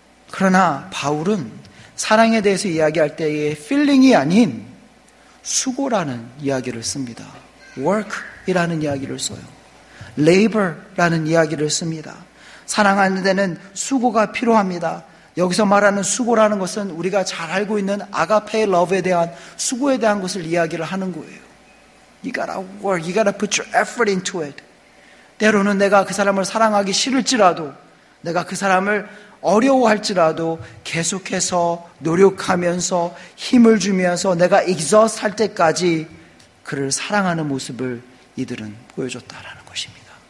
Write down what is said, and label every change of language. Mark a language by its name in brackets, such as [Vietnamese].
[Korean] 그러나 바울은 사랑에 대해서 이야기할 때에 feeling이 아닌 수고라는 이야기를 씁니다. work이라는 이야기를 써요. labor라는 이야기를 씁니다. 사랑하는 데는 수고가 필요합니다. 여기서 말하는 수고라는 것은 우리가 잘 알고 있는 아가페의 러브에 대한 수고에 대한 것을 이야기를 하는 거예요. [English] You gotta work, you gotta put your effort into it. [Korean] 때로는 내가 그 사람을 사랑하기 싫을지라도, 내가 그 사람을 어려워할지라도 계속해서 노력하면서 힘을 주면서 내가 exhaust 할 때까지 그를 사랑하는 모습을 이들은 보여줬다라는 것입니다.